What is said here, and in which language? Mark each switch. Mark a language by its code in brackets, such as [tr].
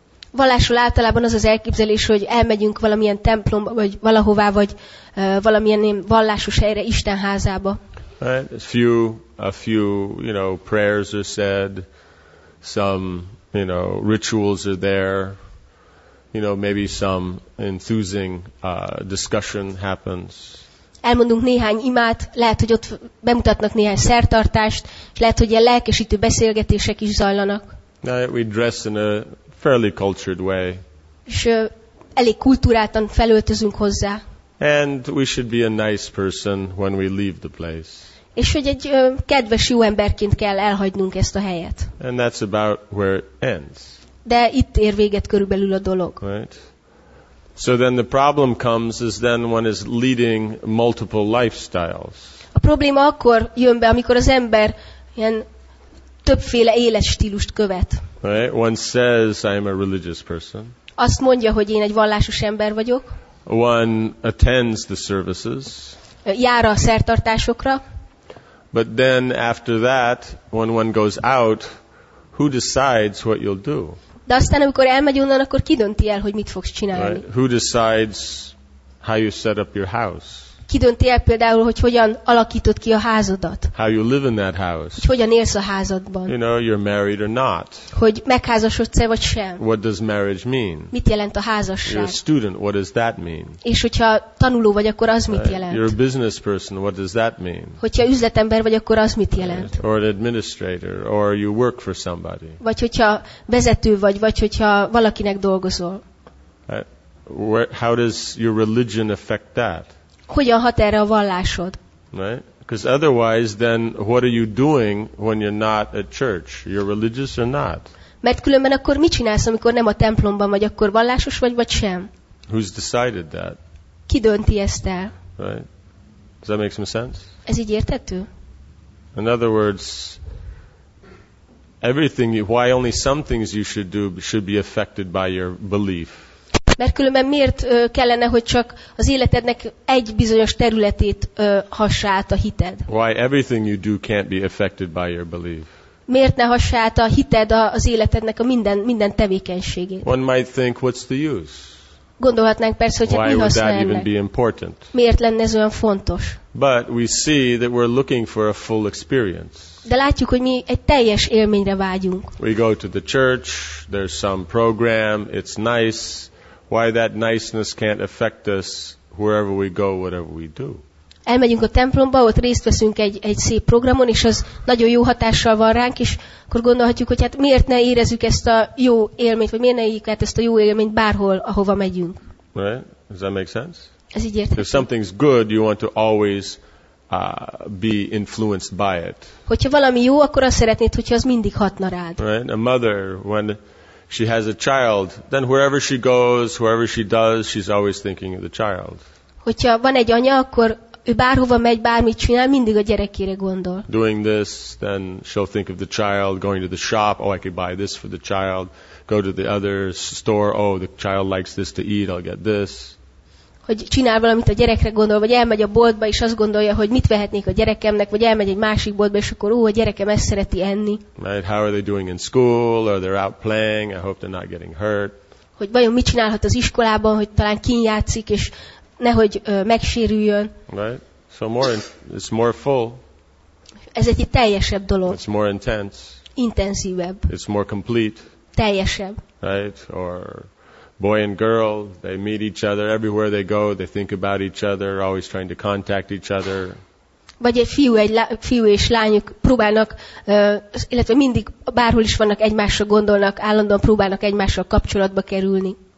[hu] Vallásról általában az az elképzelés, hogy elmegyünk valamilyen templomba, vagy valahová, vagy valamilyen vallásos helyre, Isten házába. [en] Right. A few, you know, prayers are said, some, you know, rituals are there, you know, maybe some enthusing discussion happens. [hu] Elmondunk néhány imát, lehet, hogy ott bemutatnak néhány szertartást, és lehet, hogy ilyen lelkesítő beszélgetések is zajlanak. [en] Right. We dress in a fairly cultured way. [hu] És elég kultúráltan felöltözünk hozzá. [en] And we should be a nice person when we leave the place. [hu] És hogy egy kedves jó emberként kell elhagynunk ezt a helyet. [en] And that's about where it ends. [hu] De itt ér véget körülbelül a dolog. [en] Right. So then the problem comes is then one is leading multiple lifestyles. [hu] A probléma akkor jön be, amikor az ember ilyen többféle életstílust követ. [en] Right? One says, I am a religious person. [hu] Azt mondja, hogy én egy vallásos ember vagyok. [en] One attends the services. [hu] Jár a szertartásokra. [en] But then after that, when one goes out, who decides what you'll do? [hu] De aztán, amikor elmegy onnan, akkor ki dönti el, hogy mit fogsz csinálni? [en] Right? Who decides how you set up your house? [hu] Kidöntél például, hogy hogyan alakítod ki a házadat? [en] How you live in that house? [hu] Hogy hogyan élsz a házadban? [en] You know, you're married or not. [hu] Hogy megházasodsz-e vagy sem? [en] What does marriage mean? [hu] Mit jelent a házasság? [en] You're a student, what does that mean? [hu] És hogyha tanuló vagy, akkor az mit jelent? [en] You're a business person, what does that mean? [hu] Hogyha üzletember vagy, akkor az mit jelent? [en] Or an administrator, or you work for somebody. [hu] Vagy hogyha vezető vagy, vagy hogyha valakinek dolgozol. [en] How does your religion affect that? [hu] Hogyan hat erre a vallásod? [en] Right? Because otherwise, then what are you doing when you're not at church? You're religious or not? [hu] Mert különben akkor mit csinálsz, amikor nem a templomban vagy, akkor vallásos vagy, vagy sem? [en] Who's decided that? [hu] Ki dönti ezt el? [en] Right? Does that make some sense? [hu] Ez így érthető? [en] In other words, everything. Why only some things you should do should be affected by your belief? [hu] Mert különben miért kellene, hogy csak az életednek egy bizonyos területét hassa át a hited? [en] Why everything you do can't be affected by your belief? [hu] Miért ne hassa át a hited az életednek a minden tevékenységét? [en] One might think, what's the use? [hu] Gondolhatnánk persze, hogy [en] why [hu] mi [en] would [hu] használ [en] that [hu] ennek? [en] Even be important? [hu] Miért lenne ez olyan fontos? [en] But we see that we're looking for a full experience. [hu] De látjuk, hogy mi egy teljes élményre vágyunk. [en] We go to the church, there's some program, it's nice. Why that niceness can't affect us wherever we go, whatever we do. [hu] Elmegyünk a templomba, ott részt veszünk egy szép programon, és az nagyon jó hatással van ránk, és akkor gondolhatjuk, hogy hát miért ne érezzük ezt a jó élményt, vagy miért ne éljük át ezt a jó élményt bárhol, ahova megyünk. [en] Right? Does that make sense? [hu] Ez így érthető. [en] If something's good, you want to always be influenced by it. [hu] Hogyha valami jó, akkor azt szeretnéd, hogyha az mindig hatna rád. [en] Right? A mother, when she has a child, then wherever she goes, wherever she does, she's always thinking of the child. [hu] Hogyha van egy anya, akkor ő bárhova megy, bármit csinál, mindig a gyerekére gondol. [en] Doing this, then she'll think of the child, going to the shop, oh, I could buy this for the child, go to the other store, oh, the child likes this to eat, I'll get this. [hu] Hogy csinál valamit a gyerekre gondol, vagy elmegy a boltba, és azt gondolja, hogy mit vehetnék a gyerekemnek, vagy elmegy egy másik boltba, és akkor ó, a gyerekem ezt szereti enni. [en] Right, how are they doing in school? Are they out playing? I hope they're not getting hurt. [hu] Hogy vajon mit csinálhat az iskolában, hogy talán kint játszik, és nehogy megsérüljön. [en] Right, so more, it's more full. [hu] Ez egy teljesebb dolog. [en] It's more intense. [hu] Intenzívebb. [en] It's more complete. [hu] Teljesebb. [en] Right, or boy and girl, they meet each other everywhere they go. They think about each other, always trying to contact each other. [hu] Vagy egy fiú és lányuk próbálnak, illetve mindig bárhol is vannak egymásra gondolnak, állandóan próbálnak egymásra kapcsolatba kerülni.